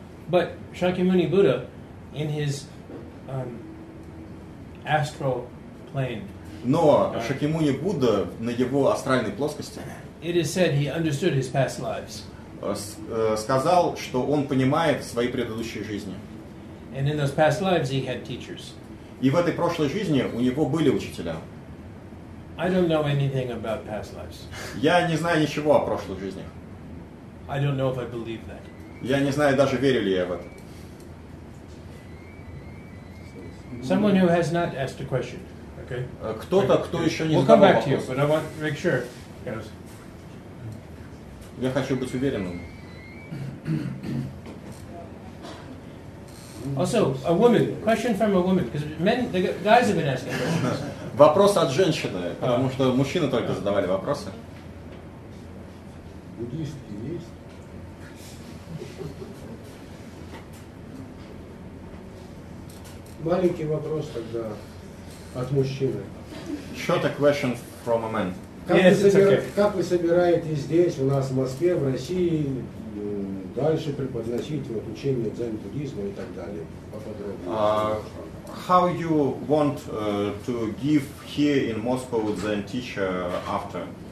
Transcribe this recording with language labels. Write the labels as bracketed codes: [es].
[en] But Shakyamuni Buddha in his astral plane. [ru] Но Шакьямуни Будда на его астральной плоскости. [en] It is said he understood his past lives. [ru] Сказал, что он понимает свои предыдущие жизни. [en] And in those past lives he had teachers. [ru] И в этой прошлой жизни у него были учителя. [en] I don't know anything about past lives. [ru] Я не знаю ничего о прошлых жизнях. [en] I don't know if I believe that. [ru] Я не знаю, даже верю ли я в это. [en] Someone who has not asked a question. Okay. [ru] Кто-то, кто еще не [en] we'll [ru] задавал вопрос. [en] We'll come back to you, but I want to make sure. Yes. [ru] Я хочу быть уверенным. [en] Also, a woman. Question from a woman, because men, the guys have been asking questions. [ru] Вопрос от женщины, потому что мужчины только задавали вопросы. Буддистки есть? Маленький вопрос тогда от мужчины. [en] Short a question from a man. [ru] Как вы собираетесь здесь, у нас в Москве, в России, дальше преподносить вот учение дзен-буддизма и так далее? Поподробнее. [en] How you want to give here in Moscow the teacher after?